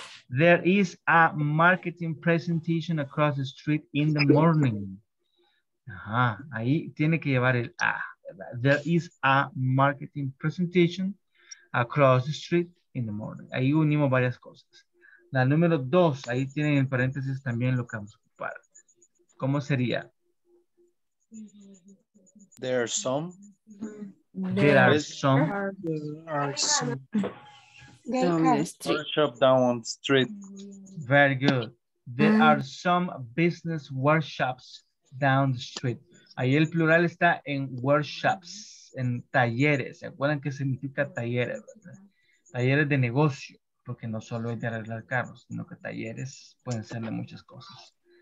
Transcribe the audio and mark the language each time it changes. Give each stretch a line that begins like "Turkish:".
English: There is a marketing presentation across the street in the morning.
Spanish: Ajá, ahí tiene que llevar el a.
English: There is a marketing presentation across the street in the morning.
Spanish: Ahí unimos varias cosas. La número dos, ahí tienen en paréntesis también lo que vamos a ocupar. ¿Cómo sería?
English: There are some workshops down the street. Very good. There are some business workshops down the street.
Spanish: Ahí el plural está en workshops, en talleres. ¿Se acuerdan qué significa talleres? Talleres de negocio. Porque no solo es de arreglar carros, sino que talleres pueden ser de muchas cosas.